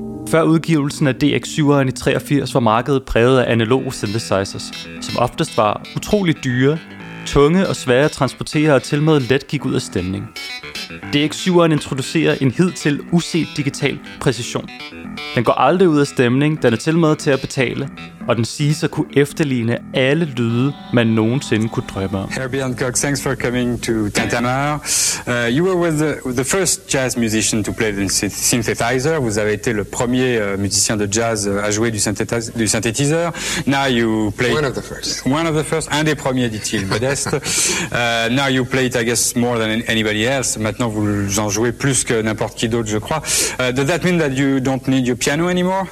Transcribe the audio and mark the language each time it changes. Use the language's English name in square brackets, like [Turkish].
[Danish] Før udgivelsen af DX7'eren i 83 var markedet præget af analoge synthesizers, som oftest var utroligt dyre, tunge og svære at transportere og tilmed let gik ud af stemning. DX7'eren introducerer en hidtil uset digital præcision. Den går aldrig ud af stemning, den er tilmed til at betale, og den siges at kunne efterligne alle lyde, man nogensinde kunne drømme om. [English] Herbie Hancock, thanks for coming to Tintamarre. You were the first jazz musician to play the synthesizer. [French] Vous avez été le premier musicien de jazz à jouer du synthétiseur. [English] Now you play... One of the first. One of the first, [French] un des premiers, dit-il, modeste. [English] Now you play it, I guess, more than anybody else. [French] Maintenant, vous en jouez plus que n'importe qui d'autre, je crois. [English] Does that mean that you don't need your piano anymore?